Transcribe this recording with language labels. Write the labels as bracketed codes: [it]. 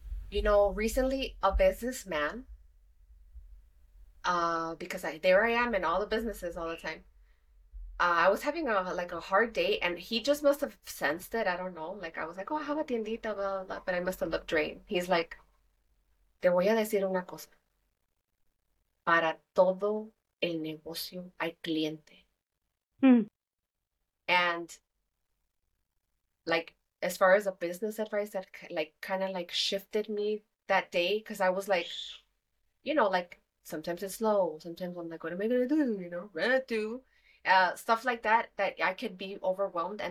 [en] You know, recently a businessman, because there I am in all the businesses all the time. I was having a like a hard day, and he just must have sensed it. I don't know. Like I was like, oh, how about tiendita, blah, blah, blah, but I must have looked drained. [es] He's like, te voy a decir una cosa. Para todo el negocio hay cliente. [en] And like, as far as a business advice that like kind of like shifted me that day, because I was like, you know, like sometimes it's slow, sometimes I'm like, what am I gonna do, you know, what to do, stuff like that, that I could be overwhelmed.